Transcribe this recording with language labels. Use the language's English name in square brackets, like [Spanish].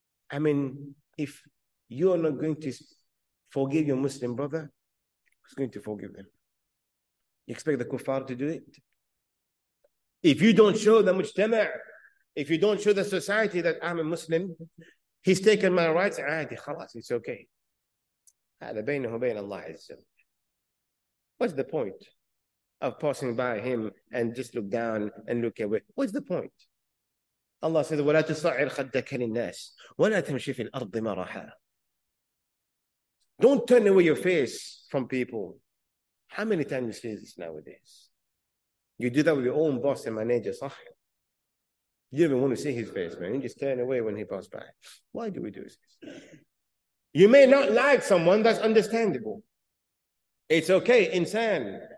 [English] I mean, if you are not going to forgive your Muslim brother, who's going to forgive them? You expect the kuffar to do it? If you don't show the mujtama, if you don't show the society that I'm a Muslim, he's taken my rights, it's okay. [Arabic] هذا بينه وبين الله عز وجل. [English] What's the point of passing by him and just look down and look away? What's the point? Allah says, [Arabic] وَلَا تُصَعِرْ خَدَّكَ لِلنَّاسِ وَلَا تَمْشِي فِي الْأَرْضِ مَرَحًا. [English] Don't turn away your face from people. How many times you see this nowadays? You do that with your own boss and manager, صح? You don't even want to see his face, man. You just turn away when he passed by. Why do we do this? You may not like someone, that's understandable. It's okay, insan.